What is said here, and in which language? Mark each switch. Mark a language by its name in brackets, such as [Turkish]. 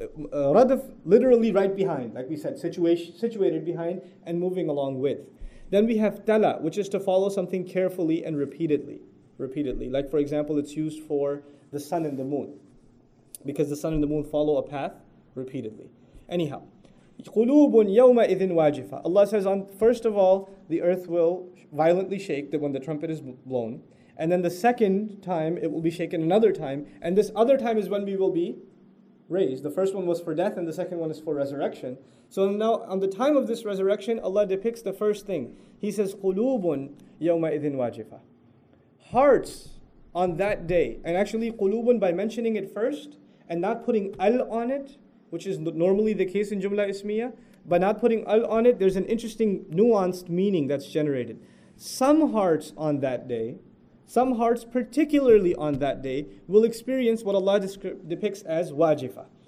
[English] Radif, literally right behind, like we said, situated behind and moving along with. Then we have tala, which is to follow something carefully and repeatedly. Like for example, it's used for the sun and the moon. Because the sun and the moon follow a path repeatedly. Anyhow, [Arabic] قُلُوبٌ يَوْمَئِذٍ وَاجِفَةٌ. [English] Allah says, first of all, the earth will violently shake when the trumpet is blown. And then the second time, it will be shaken another time. And this other time is when we will be raised. The first one was for death, and the second one is for resurrection. So now, on the time of this resurrection, Allah depicts the first thing. He says, [Arabic] قُلُوبٌ يَوْمَئِذٍ وَاجِفَةٌ. [English] Hearts on that day. And actually, قُلُوبٌ, by mentioning it first, and not putting al on it, which is normally the case in Jumla Ismiya, by not putting al on it, there's an interesting nuanced meaning that's generated. Some hearts on that day, some hearts particularly on that day, will experience what Allah depicts as wajifa.